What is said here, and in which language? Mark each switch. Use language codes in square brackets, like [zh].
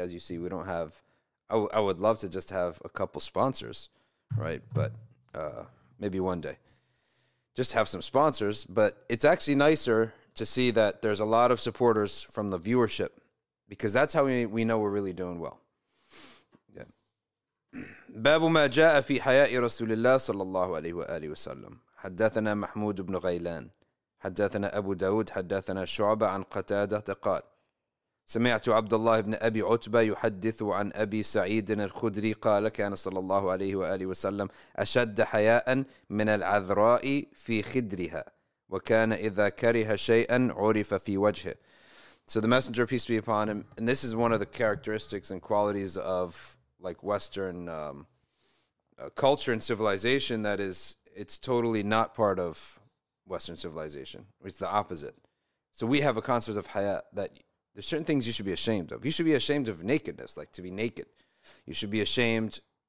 [en] As you see, we don't have, I would love to just have a couple sponsors, right? But maybe one day just have some sponsors. But it's actually nicer to see that there's a lot of supporters from the viewership, because that's how we know we're really doing well. [ar] باب ما جاء في حياء رسول الله صلى الله عليه وآله وسلم حدثنا محمود بن غيلان حدثنا أبو داود حدثنا شعبة عن قتادة قال سمعت عبد الله بن أبي عتبة يحدث عن أبي سعيد الخدري قال كان صلى الله عليه وآله وسلم أشد حياء من العذراء في خدرها وكان إذا كره شيئا عرف في وجهه. [en] So the messenger, peace be upon him, and this is one of the characteristics and qualities of like Western culture and civilization that is, it's totally not part of Western civilization. It's the opposite. So we have a concept of haya that there's certain things you should be ashamed of. You should be ashamed of nakedness, like to be naked. You should be ashamed.